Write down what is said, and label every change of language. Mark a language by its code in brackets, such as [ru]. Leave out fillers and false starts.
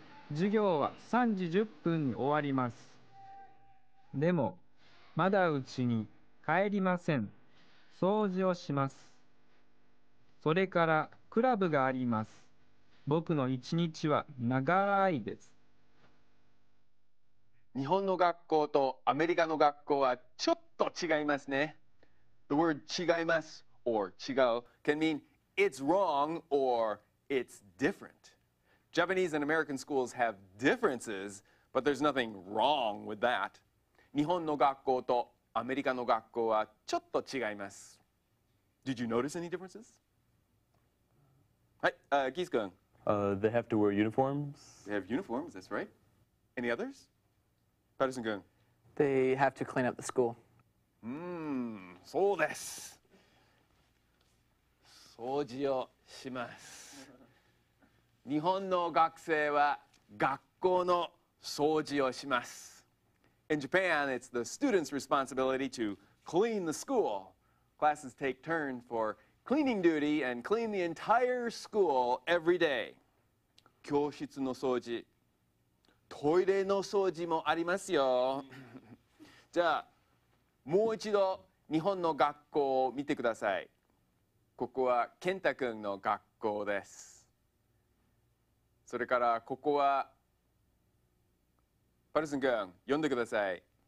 [ja] 授業は3時10分に終わります。でも、まだうちに帰りません。掃除をします。それからクラブがあります。僕の一日は長いです。日本の学校とアメリカの学校はちょっと違いますね。 [en] The word 違います or 違う can mean it's wrong or it's different. Japanese and American schools have differences, but there's nothing wrong with that. [ja] 日本の学校とアメリカの学校はちょっと違います。 [en] Did you notice any differences? Keith-kun. They have to wear uniforms. They have uniforms, that's right. Any others? Patterson-kun. They have to clean up the school. [ja] そうです。掃除をします。日本の学生は学校の掃除をします。 [en] In Japan, it's the student's responsibility to clean the school. Classes take turn for cleaning duty and clean the entire school every day. [ja] 教室の掃除、トイレの掃除もありますよ。じゃあ、もう一度日本の学校を見てください。ここは健太君の学校です。それからここはパルスン君、読んでください。